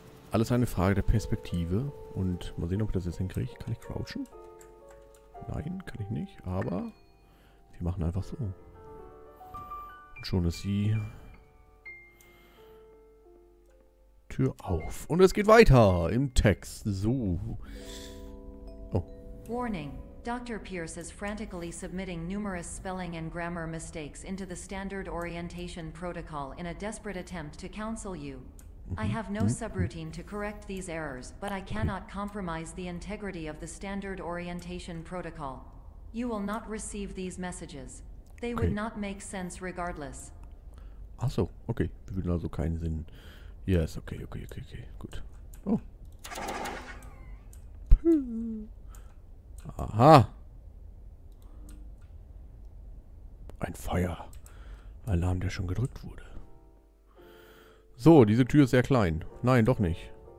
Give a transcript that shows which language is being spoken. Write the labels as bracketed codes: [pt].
[de] Alles eine Frage der Perspektive. Und mal sehen, ob ich das jetzt hinkriege. Kann ich crouchen? Nein, kann ich nicht. Aber wir machen einfach so. Und schon ist die Tür auf. Und es geht weiter im Text. So. [en] Oh. Warning. Dr. Pierce is frantically submitting numerous spelling and grammar mistakes into the standard orientation protocol in a desperate attempt to counsel you. I have no subroutine to correct these errors, but I cannot compromise the integrity of the standard orientation protocol. You will not receive these messages. They would not make sense regardless. [de] Ach so, okay. Wir würden also keinen Sinn. [en] Yes, okay, okay, okay, okay. [de] Gut. [en] Oh. Aha! [de] Ein Feueralarm, der schon gedrückt wurde. So, diese Tür ist sehr klein. Nein, doch nicht.